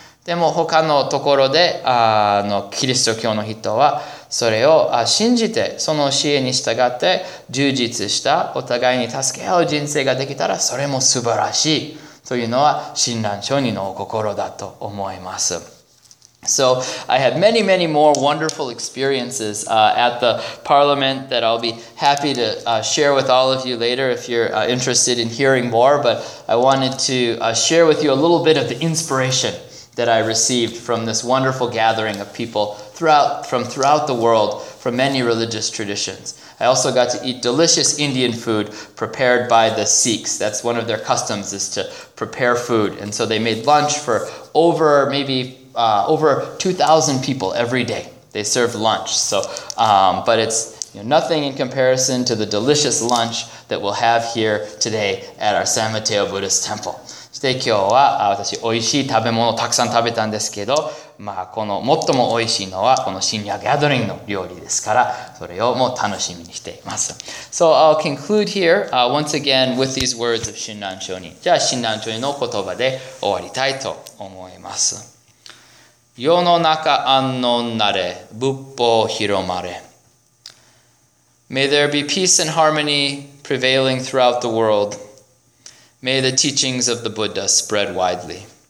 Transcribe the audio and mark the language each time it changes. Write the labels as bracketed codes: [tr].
[ja] でも他のところで、キリスト教の人は、それを信じて、その教えに従って、充実した、お互いに助け合う人生ができたら、それも素晴らしい。というのは、親鸞聖人のお心だと思います。 [en] So, I had many, many more wonderful experiences, at the parliament that I'll be happy to, share with all of you later if you're, interested in hearing more, but I wanted to, share with you a little bit of the inspiration. That I received from this wonderful gathering of people throughout the world from many religious traditions. I also got to eat delicious Indian food prepared by the Sikhs. That's one of their customs is to prepare food. And so they made lunch for over 2,000 people every day. They served lunch. So, but it's nothing in comparison to the delicious lunch that we'll have here today at our San Mateo Buddhist Temple. [ja] で今日は私美味しい食べ物をたくさん食べたんですけどまあ、この最も美味しいのはこの新夜ギャドリングの料理ですから、それをもう楽しみにしています。 [en] So I'll conclude here, once again with these words of 新南聖人。 [ja] じゃあ新南聖人の言葉で終わりたいと思います。世の中安穏なれ、仏法広まれ。 [en] May there be peace and harmony prevailing throughout the world. May the teachings of the Buddha spread widely.